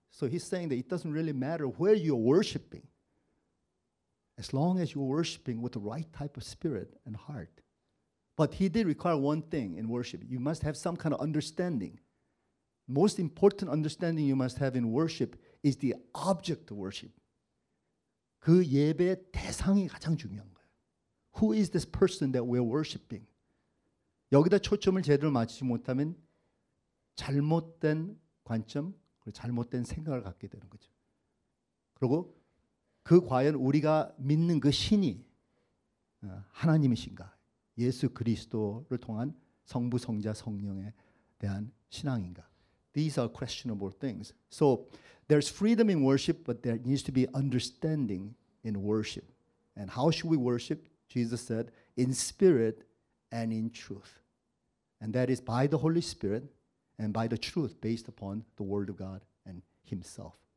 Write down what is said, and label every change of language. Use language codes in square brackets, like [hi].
[en] So he's saying that it doesn't really matter where you're worshiping. As long as you're worshiping with the right type of spirit and heart. But he did require one thing in worship. You must have some kind of understanding. Most important understanding you must have in worship is the object of worship. [ko] 그 예배 대상이 가장 중요한 거예요. [en] Who is this person that we're worshiping? [ko] 여기다 초점을 제대로 맞추지 못하면 잘못된 관점, 그리고 잘못된 생각을 갖게 되는 거죠. 그리고 그 과연 우리가 믿는 그 신이 하나님이신가, 예수 그리스도를 통한 성부, 성자, 성령에 대한 신앙인가. [en] These are questionable things. So there's freedom in worship, but there needs to be understanding in worship. And how should we worship? Jesus said, in spirit and in truth. And that is by the Holy Spirit and by the truth based upon the Word of God and Himself.